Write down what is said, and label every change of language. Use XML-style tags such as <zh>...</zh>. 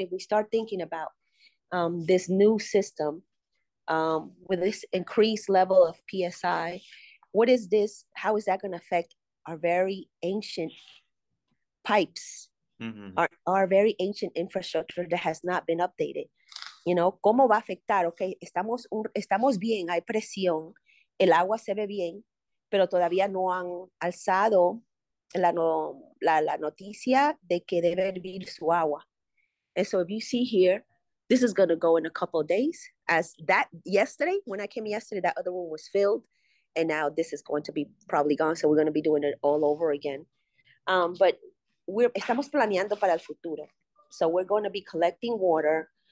<en>If we start thinking about this new system with this increased level of PSI, what is this? How is that going to affect our very ancient pipes, our very ancient infrastructure that has not been updated? You know,</en> <es>¿cómo va a afectar? Okay, estamos bien, hay presión, el agua se ve bien, pero todavía no han alzado la noticia de que debe hervir su agua.</es> <en>And so if you see here, this is going to go in a couple of days. As that yesterday, when I came yesterday, that other one was filled, and now this is going to be probably gone, so we're going to be doing it all over again. But</en> <es>estamos planeando para el futuro.</es> <en>So we're going to be collecting water.</en>